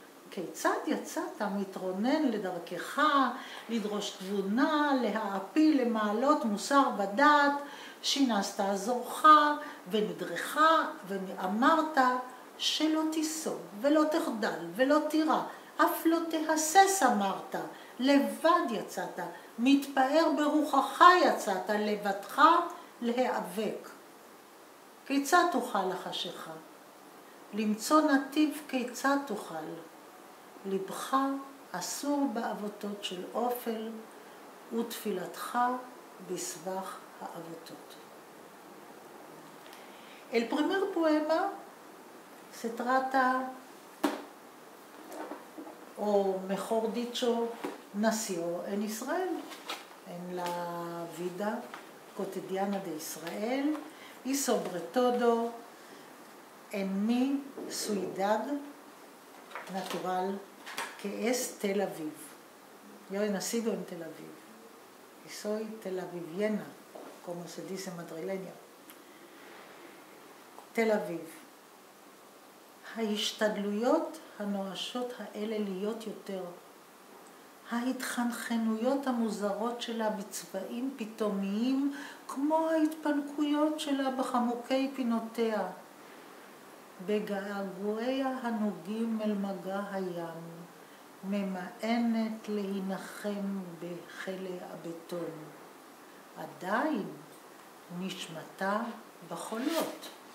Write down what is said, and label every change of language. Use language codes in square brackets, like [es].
[he] כיצד יצאת מתרונן לדרכך, לדרוש תבונה, להעפיל למעלות מוסר ודעת, שינסת עזורך ונדרך ואמרת שלא תיסוג ולא תחדל ולא תירא, אף לא תהסס אמרת, לבד יצאת, מתפאר ברוחך יצאת, לבדך להיאבק. כיצד תוכל החשיכה? למצוא נתיב כיצד תוכל? לבך אסור באבותות של אופל, ותפילתך בסבך האבותות. [es] אל פרימר פואמה, סטרטה, o mejor dicho, nació en Israel, en la vida cotidiana de Israel y sobre todo en mi ciudad natural, que es Tel Aviv. Yo he nacido en Tel Aviv y soy Tel Aviviana, como se dice madrileña. Tel Aviv. [he] ההשתדלויות הנואשות האלה להיות יותר, ההתחנחנויות המוזרות שלה בצבעים פתאומיים, כמו ההתפנקויות שלה בחמוקי פינותיה, בגעגועיה הנוגעים אל מגע הים, ממאנת להינחם בחלי הבטון, עדיין נשמתה בחולות.